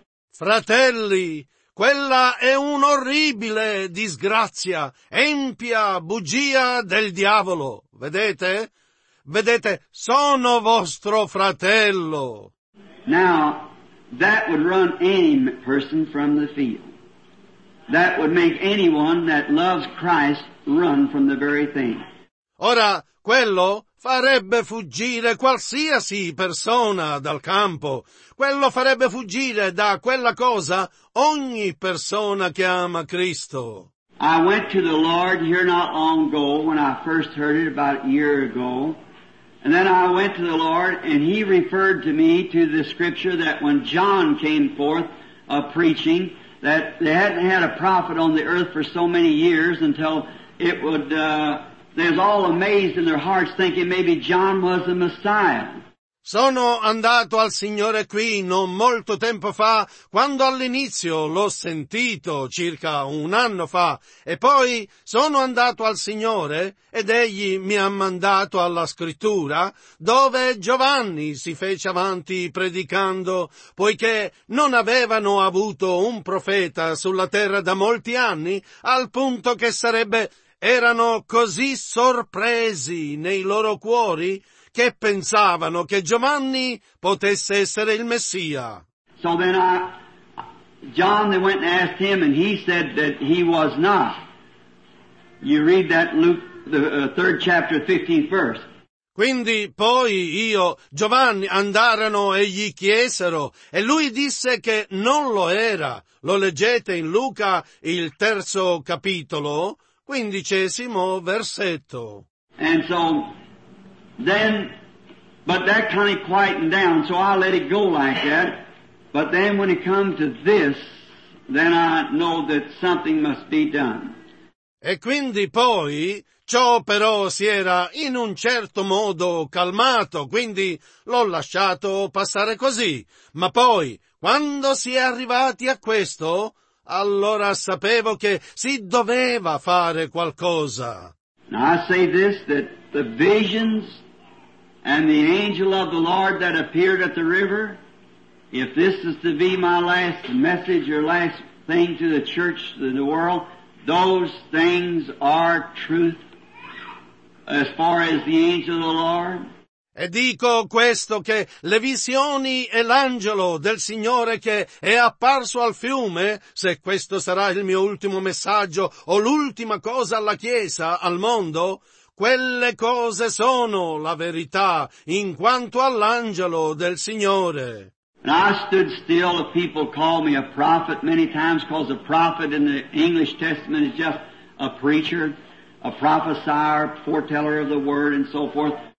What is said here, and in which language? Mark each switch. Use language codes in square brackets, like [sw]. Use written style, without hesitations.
[it] Fratelli, quella è un'orribile disgrazia, empia bugia del diavolo. Vedete? Vedete, sono vostro fratello. [en] Now, that would run any person from the field. That would make anyone that loves Christ run from the very thing. [it] Ora, quello farebbe fuggire qualsiasi persona dal campo. Quello farebbe fuggire da quella cosa ogni persona che ama Cristo. [en] I went to the Lord here not long ago when I first heard it about a year ago. And then I went to the Lord and he referred to me to the scripture that when John came forth of preaching, that they hadn't had a prophet on the earth for so many years until it would... They're all amazed in their hearts thinking maybe John was the Messiah. [it] Sono andato al Signore qui non molto tempo fa, quando all'inizio l'ho sentito, circa un anno fa, e poi sono andato al Signore ed egli mi ha mandato alla Scrittura, dove Giovanni si fece avanti predicando, poiché non avevano avuto un profeta sulla terra da molti anni, al punto che sarebbe... Erano così sorpresi nei loro cuori che pensavano che Giovanni potesse essere il Messia. [en] So then John they went and asked him and he said that he was not. You read that Luke, the third chapter, 15th verse. [it] Quindi poi io, Giovanni, andarono e gli chiesero, e lui disse che non lo era. Lo leggete in Luca, il terzo capitolo? Quindicesimo versetto. [en] And so, then, but that kind of quietened down, so I let it go like that. But then when it comes to this, then I know that something must be done. [it] E quindi poi, ciò però si era in un certo modo calmato, quindi l'ho lasciato passare così. Ma poi, quando si è arrivati a questo... Allora sapevo che si doveva fare qualcosa. [en] Now I say this, that the visions and the angel of the Lord that appeared at the river, if this is to be my last message or last thing to the church, to the world, those things are truth as far as the angel of the Lord. [it] E dico questo, che le visioni e l'angelo del Signore che è apparso al fiume, se questo sarà il mio ultimo messaggio o l'ultima cosa alla Chiesa, al mondo, quelle cose sono la verità in quanto all'angelo del Signore. [en] And I stood still if people call me a prophet many times, because a prophet in the English Testament is just a preacher, a prophesier, foreteller of the word and so forth.